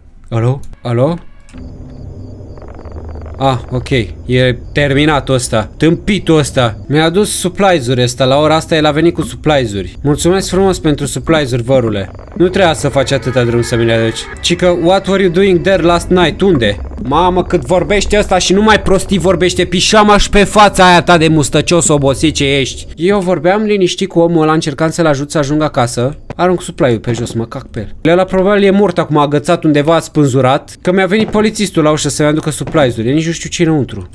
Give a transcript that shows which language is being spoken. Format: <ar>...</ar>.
<ro>Alo? Alo? Ah, ok. E terminat ăsta. Tâmpitul ăsta. Mi-a adus supplies-uri ăsta. La ora asta el a venit cu supplies-uri. Mulțumesc frumos pentru supplies-uri, vărule. Nu trebuia să faci atâta drum să mi le aduci.</ro> <en>Cică, what were you doing there last night?</en> <ro>Unde? Mamă, cât vorbește ăsta și nu mai prostii vorbește. Pișama și pe fața aia ta de mustăcios obosit ce ești. Eu vorbeam liniștit cu omul ăla încercând să-l ajut să ajungă acasă. Arunc supply-ul pe jos, mă cac pe el. Ăla probabil e mort acum, agățat undeva, spânzurat. Că mi-a venit polițistul la ușă să-mi aducă supply-ul. Nici nu știu ce înăuntru.</ro>